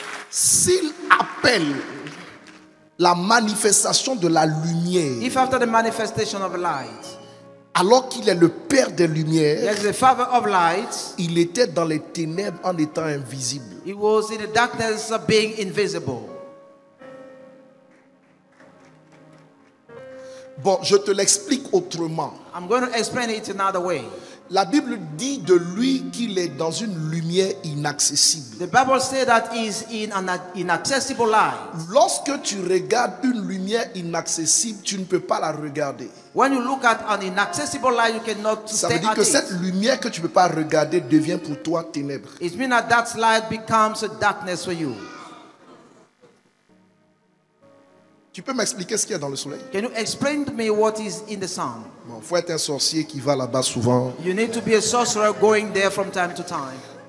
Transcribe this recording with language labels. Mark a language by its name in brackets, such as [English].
[French] S'il appelle la manifestation de la lumière. [English] If after the manifestation of light. [French] Alors qu'il est le père des lumières, [English] yes, the father of light, [French] il était dans les ténèbres en étant invisible. [English] He was in the darkness of being invisible. [French] Bon, je te l'explique autrement. [English] I'm going to explain it another way. [French] La Bible dit de lui qu'il est dans une lumière inaccessible. [English] The Bible says that he's in an inaccessible light. [French] Lorsque tu regardes une lumière inaccessible, tu ne peux pas la regarder. [English] When you look at an inaccessible light, you cannot stay at it. [French] Ça veut dire que cette lumière que tu ne peux pas regarder devient pour toi ténèbre. [English] It means that that light becomes a darkness for you. [French] Tu peux m'expliquer ce qu'il y a dans le soleil? [English] Can you explain to me what is in the sun? [French] Bon, faut être un sorcier qui va là-bas souvent. [English] You need to be a sorcerer going there from time to time.